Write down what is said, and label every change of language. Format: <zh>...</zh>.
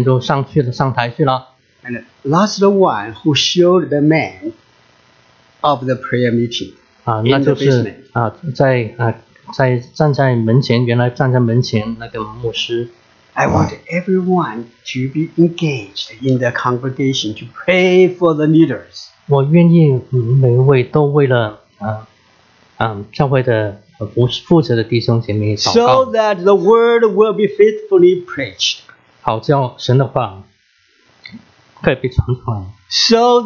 <zh>有一个人就很矮小的人就上台去了。</zh> <en>And that's the one who showed the man of the prayer meeting.</en> <zh>那就是站在门前，原来站在门前那个牧师。</zh> <en>I want everyone to be engaged in the congregation to pray for the leaders.</en> <zh>我愿意每一位都为了教会的负责的弟兄姐妹祷告。</zh> <en>So that the word will be faithfully preached.</en> <zh>好叫神的话可以被传出来。</zh> <en>So</en>